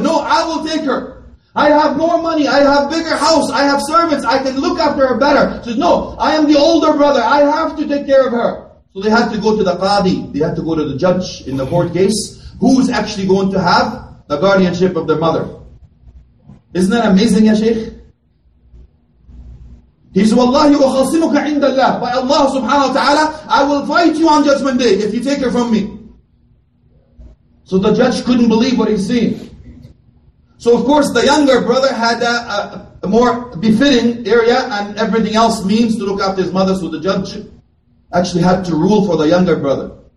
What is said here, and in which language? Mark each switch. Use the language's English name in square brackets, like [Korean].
[English] No, I will take her. I have more money. I have bigger house. I have servants. I can look after her better. She says, no, I am the older brother. I have to take care of her. So they had to go to the qadi. They had to go to the judge in the court case. Who is actually going to have the guardianship of their mother? Isn't that amazing, ya Sheikh? [Arabic] He says, وَاللَّهِ وَخَصِمُكَ عِنْدَ اللَّهِ. [English] By Allah subhanahu wa ta'ala, I will fight you on judgment day if you take her from me. So the judge couldn't believe what he's seeing. So of course the younger brother had a more befitting area, and everything else means to look after his mother. So the judge actually had to rule for the younger brother.